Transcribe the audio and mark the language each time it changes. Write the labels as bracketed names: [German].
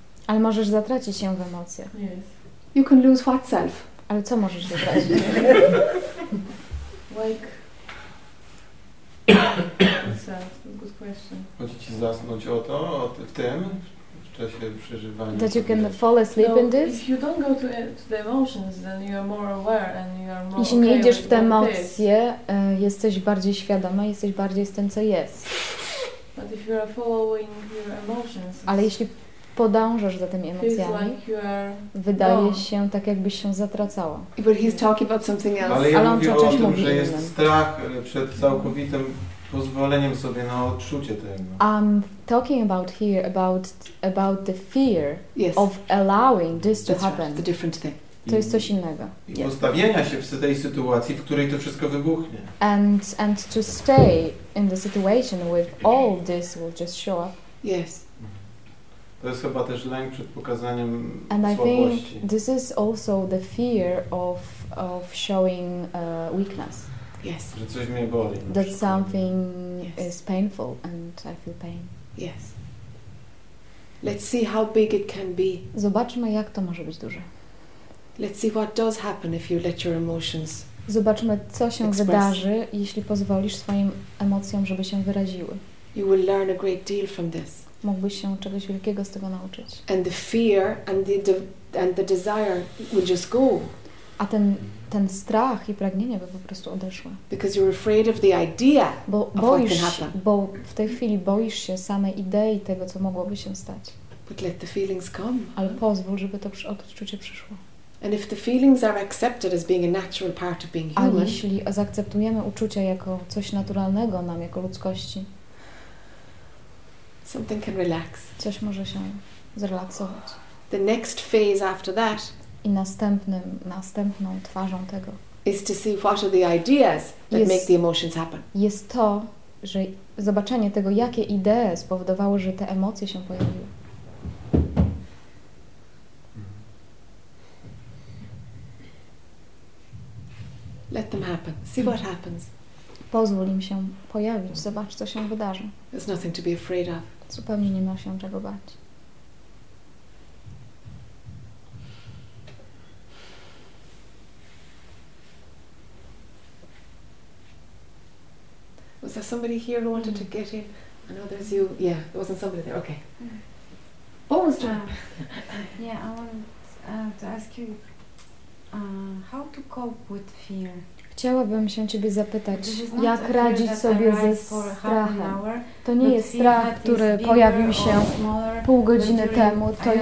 [Polish] Ale możesz zatracić się w emocjach. [English] Yes. You can lose what self? [Polish] Ale co możesz zatracić? [English] Like self. Good question. [Polish] Chodzi ci zasnąć o to, w tym, w czasie przeżywania. [English] That you can fall asleep in this? If you don't go to the emotions, then you are more aware and you are more. [Polish] Jeśli nie idziesz w te emocje, jesteś bardziej świadoma, jesteś bardziej z tym, co jest. [English] But if you are following your emotions, [Polish] ale jeśli podążasz za tymi emocjami, wydaje się tak, jakbyś się zatracała. [English] But he's talking about something else. [Polish] Ale ja on mówię o tym, że jest strach przed całkowitym pozwoleniem sobie na odczucie tego. [English] I'm talking about here about the fear, yes, of allowing this to happen. Right, the different thing. [Polish] To jest coś innego. I postawienia się w tej sytuacji, w której to wszystko wybuchnie. [English] And to stay in the situation with all this will just show up. Yes. [Polish] To jest chyba też lęk przed pokazaniem słabości. [English] And I think this is also the fear of showing weakness. Yes. [Polish] Że coś mnie boli. [English] That something is painful and I feel pain. Yes. Let's see how big it can be. [Polish] Zobaczmy, jak to może być duże. [English] Let's see what does happen if you let your emotions. [Polish] Zobaczmy, co się wydarzy, jeśli pozwolisz swoim emocjom, żeby się wyraziły. [English] You will learn a great deal from this. [Polish] Mógłbyś się czegoś wielkiego z tego nauczyć. [English] And the fear and the desire will just go. [Polish] A ten strach i pragnienie by po prostu odeszły. [English] Because you're afraid of the idea of what can happen. [Polish] Bo w tej chwili boisz się samej idei tego, co mogłoby się stać. [English] But let the feelings come. [Polish] Ale pozwól, żeby to odczucie przyszło. [English] And if the feelings are accepted as being a natural part of being human. [Polish] A jeśli zaakceptujemy uczucia jako coś naturalnego nam jako ludzkości. [English] Something can relax. [Polish] Coś może się zrelaksować. [English] The next phase after that. [Polish] I następną twarzą tego. [English] Is to see what are the ideas that make the emotions happen. [Polish] Jest to, że zobaczenie tego, jakie idee spowodowały, że te emocje się pojawiły. [English] Let them happen. See what happens. [Polish] Pozwól im się pojawić. Zobacz, co się wydarzy. [English] There's nothing to be afraid of. [Polish] Zupełnie nie ma się czego bać. [English] Was there somebody here who wanted to get in? I know there's you. Yeah, there wasn't somebody there. Okay. Oh, was that? Yeah, I want to ask you how to cope with fear. [Polish] Chciałabym się ciebie zapytać, jak radzić sobie ze strachem. To nie jest strach, który pojawił się pół godziny temu.